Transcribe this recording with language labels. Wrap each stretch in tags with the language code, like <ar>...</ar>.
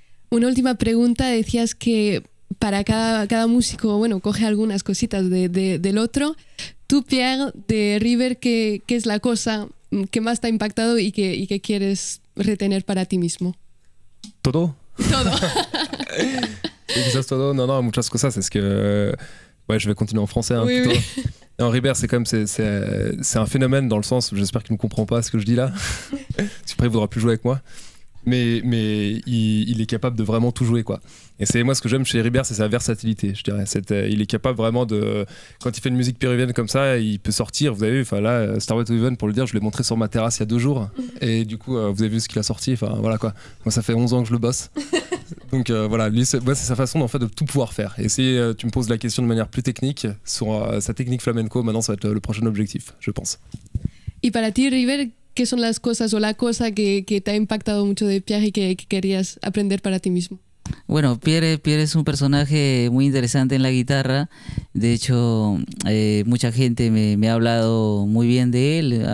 <es>Una última pregunta, decías que para cada músico, bueno, coge algunas cositas del otro. Tú, Pierre, de River, ¿qué es la cosa que más te ha impactado y que quieres retener para ti mismo? ¿Todo? Todo. Y quizás todo. No, muchas cosas. Es que, bueno, yo voy a continuar en francés.</es> <fr>Oui, oui. Non, River, c'est quand même c'est un phénomène dans le sens, j'espère qu'il ne comprend pas ce que je dis là. Après, il voudra plus jouer avec moi. Mais il est capable de vraiment tout jouer, quoi. Et c'est moi ce que j'aime chez Ribert, c'est sa versatilité, je dirais. Il est capable vraiment de... Quand il fait une musique péruvienne comme ça, il peut sortir. Vous avez vu, enfin là, Stairway to Heaven, pour le dire, je l'ai montré sur ma terrasse il y a 2 jours. Et du coup, vous avez vu ce qu'il a sorti. Enfin, voilà quoi. Moi, ça fait 11 ans que je le bosse. Donc voilà, lui, c'est sa façon en fait, de tout pouvoir faire. Et si tu me poses la question de manière plus technique, sur sa technique flamenco, maintenant, ça va être le prochain objectif, je pense. Et pour toi, Ribert,</fr> <es>¿qué son las cosas o la cosa que te ha impactado mucho de Pierre y que querías aprender para ti mismo? Bueno, Pierre es un personaje muy interesante en la guitarra. De hecho, mucha gente me ha hablado muy bien de él.</es>